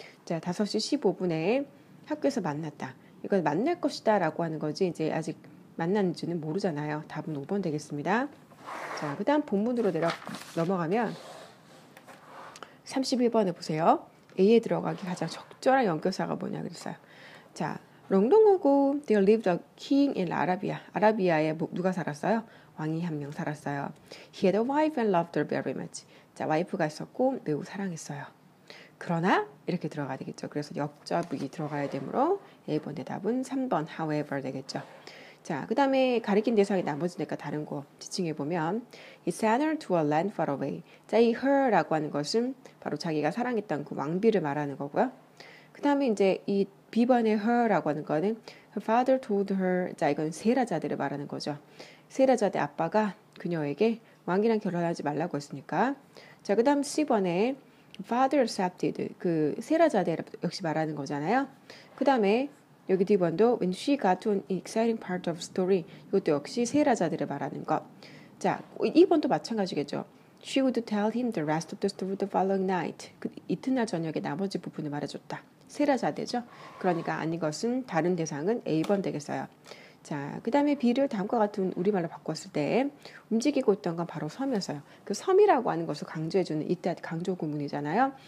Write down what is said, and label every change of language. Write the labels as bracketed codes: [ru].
[ko] 자, 5시 15분에 학교에서 만났다. 이건 만날 것이다 라고 하는 거지. 이제 아직 만났는지는 모르잖아요. 답은 5번 되겠습니다. 자, 그 다음 본문으로 넘어가면 31번에 보세요. A에 들어가기 가장 적절한 연결사가 뭐냐 그랬어요. [en] 자, 롱동고고 they lived a king in Arabia. [ko] 아라비아에 누가 살았어요? 왕이 한 명 살았어요. [en] He had a wife and loved her very much. [ko] 자, 와이프가 있었고 매우 사랑했어요. 그러나 이렇게 들어가야 되겠죠. 그래서 역접이 들어가야 되므로 1번 대답은 3번 however 되겠죠. 자, 그 다음에 가리킨 대상이 나머지니까 다른 거 지칭해 보면 [en] He sent her to a land far away. [ko] 자, 이 her라고 하는 것은 바로 자기가 사랑했던 그 왕비를 말하는 거고요. 그 다음에 이제 이 B번의 her라고 하는 거는 [en] Her father told her. [ko] 자, 이건 세라자들을 말하는 거죠. 세라자들 아빠가 그녀에게 왕이랑 결혼하지 말라고 했으니까. 자, 그 다음 C번에 [en] Father accepted. [ko] 그 세라자들 역시 말하는 거잖아요. 그 다음에 여기 D번도 [en] When she got to an exciting part of story. [ko] 이것도 역시 세라자들을 말하는 것. 자, 2번도 마찬가지겠죠. [en] She would tell him the rest of the story the following night. [ko] 그 이튿날 저녁에 나머지 부분을 말해줬다. 세라자대죠. 그러니까 아닌 것은 다른 대상은 A번 되겠어요. 자, 그 다음에 B를 다음과 같은 우리말로 바꿨을 때 움직이고 있던 건 바로 섬이었어요. 그 섬이라고 하는 것을 강조해주는 이때 강조 구문이잖아요.